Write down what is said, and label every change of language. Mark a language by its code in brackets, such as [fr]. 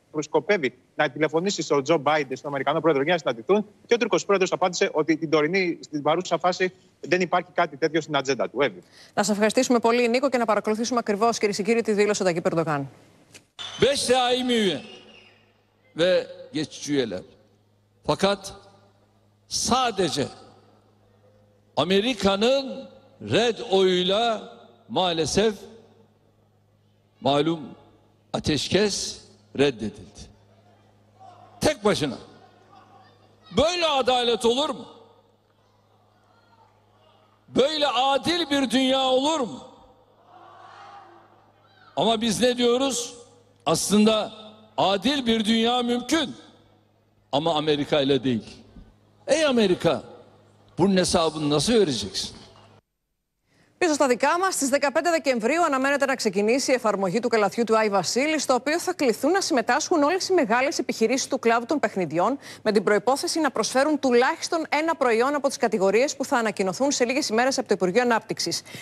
[el] προσκοπεύει να τηλεφωνήσει στον Τζο Μπάιντεν, στον Αμερικανό πρόεδρο, για να συναντηθούν. Και ο Τούρκος πρόεδρος απάντησε ότι την τωρινή, στην παρούσα φάση, δεν υπάρχει κάτι τέτοιο στην ατζέντα του. Εύη. Να σας ευχαριστήσουμε πολύ, Νίκο, και να παρακολουθήσουμε ακριβώς, κυρίε και κύριοι, τη δήλωση του Ταγκίπ Ερντογάν. [tr] Ve geçici üyeler. Fakat sadece Amerika'nın red oyuyla maalesef malum ateşkes reddedildi. Tek başına. Böyle adalet olur mu? Böyle adil bir dünya olur mu? Ama biz ne diyoruz? Aslında adil bir dünya mümkün ama Amerika ile değil. Ey Amerika, bunun hesabını nasıl vereceksin? [el] Πίσω στα δικά μας, στις 15 Δεκεμβρίου αναμένεται να ξεκινήσει η εφαρμογή του καλαθιού του Άι Βασίλη, στο οποίο θα κληθούν να συμμετάσχουν όλες οι μεγάλες επιχειρήσεις του κλάδου των παιχνιδιών, με την προϋπόθεση να προσφέρουν τουλάχιστον ένα προϊόν από τις κατηγορίες που θα ανακοινωθούν σε λίγες ημέρες από το Υπουργείο Ανάπτυξης.